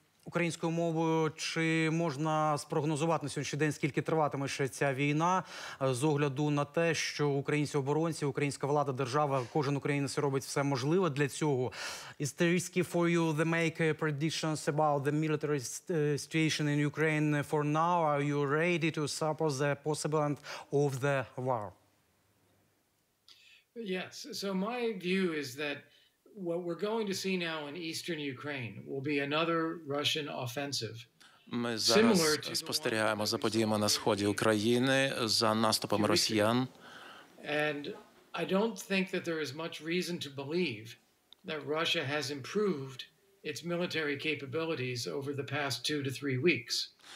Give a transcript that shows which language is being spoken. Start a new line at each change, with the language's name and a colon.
Ukrainian: Українською мовою, чи можна спрогнозувати на сьогоднішній день, скільки триватиме ще ця війна, з огляду на те, що українці оборонці, українська влада, держава, кожен українець робить все можливе для цього?
English: Is there risky for you to make predictions about the military situation in Ukraine for now? Are you ready to support the possibility of the war? Yes, so my view is that what we're going to see now in eastern Ukraine will be another Russian offensive.
Ukrainian: Ми зараз спостерігаємо за подіями на сході України, за наступами росіян.
English: And I don't think that there is much reason to believe that Russia has improved its military capabilities over the past 2 to 3 weeks.